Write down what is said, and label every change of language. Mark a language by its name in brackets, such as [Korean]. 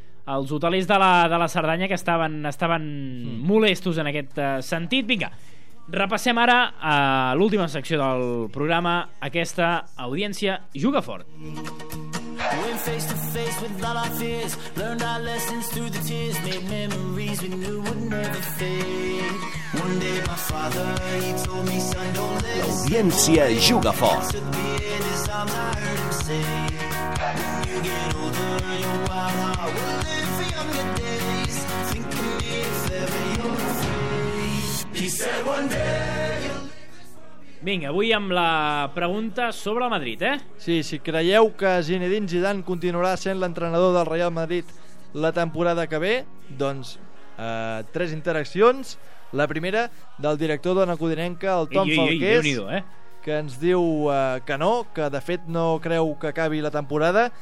[Catalan] Els hotelers de la Cerdanya, que estaven molestos en aquest sentit. Vinga, repassem ara a l'última secció del programa, aquesta audiència juga fort. [English] Went face to face with all our fears, learned our lessons through the tears, made memories we knew would never fade. One day my father, he told me, son, don't let it. [Catalan] L'audiència juga fort. [English] When you get older, your wild heart will live for younger days, thinking if ever you're afraid. He said one day. [Catalan] Vinga, avui amb la pregunta sobre el Madrid, Sí, si creieu que Zinedine Zidane continuarà sent l'entrenador del Real Madrid la temporada que ve, doncs tres interaccions. La primera, del director d'Ona Codinenca, el Tom Falqués, que ens diu que no, que de fet no creu que acabi la temporada.